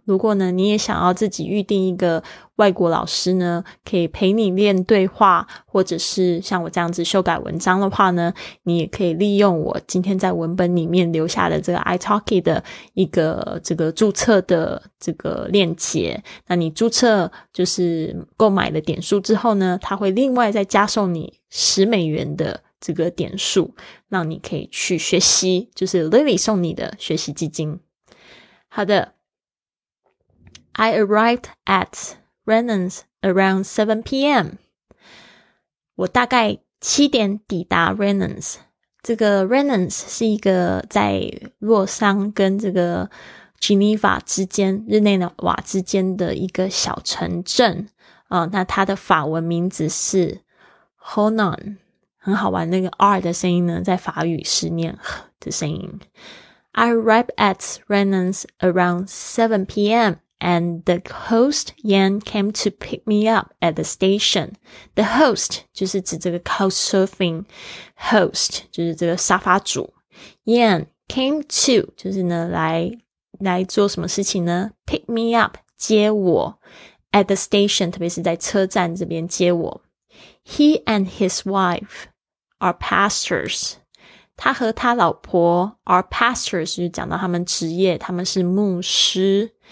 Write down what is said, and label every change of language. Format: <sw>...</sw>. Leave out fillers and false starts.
<zh>如果呢你也想要自己预定一个外国老师呢可以陪你练对话，或者是像我这样子修改文章的话呢，你也可以利用我今天在文本里面留下的这个 iTalki 的一个这个注册的这个链接。那你注册就是购买了点数之后呢，它会另外再加送你10美元的这个点数，让你可以去学习，就是 Lily 送你的学习基金。</zh> <en>好的， I arrived at Renens around 7 p.m.</en> <zh>我大概7点抵达 Renens。这个 Renens 是一个在洛桑跟这个 Geneva 之间，日内瓦之间的一个小城镇，那它的法文名字是 Honon， 很好玩，那个 R 的声音呢在法语是念 H 的声音。</zh> <en>I arrived at Renens around 7 p.m. and the host Yan came to pick me up at the station.</en> <zh>The host 就是指这个 couchsurfing host， 就是这个沙发主。 Yan came to 就是呢来来做什么事情呢？ Pick me up, 接我 at the station, 特别是在车站这边接我。</zh> <en>He and his wife are pastors.</en> <zh>他和他老婆 are pastors, 就讲到他们职业，他们是牧师。</zh>